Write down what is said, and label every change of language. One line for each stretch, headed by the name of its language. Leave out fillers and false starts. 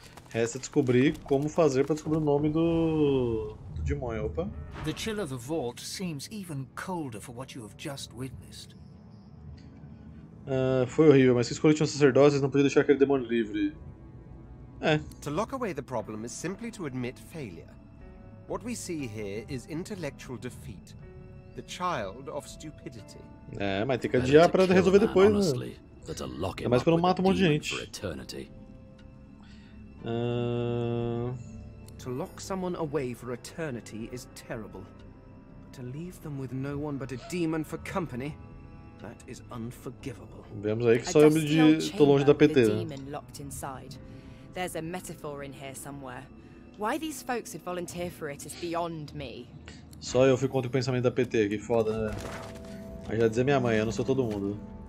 Portuguese: Resta descobrir como fazer para descobrir o nome do demônio. Opa.
English: The chill of the vault seems even colder for what you have just witnessed.
Portuguese: Foi horrível, mas se escolhiam sacerdotes, não podia deixar aquele demônio livre. É.
English: To lock away the problem is simply to admit failure. What we see here is intellectual defeat, the child of stupidity.
Portuguese: É, mas tem que adiar para resolver depois, né? É mais quando mata um monte de gente.
English: To lock someone away for eternity is terrible. To leave them with no one but a demon for company, that is unforgivable.
Portuguese: Vemos aí que só eu de tô longe da PT. Né?
English: There's a metaphor in here somewhere. Why these folks would volunteer for it is beyond me.
Portuguese: Só eu fico contra o pensamento da PT, que foda, né? Aí já dizer minha mãe, eu não sou todo mundo.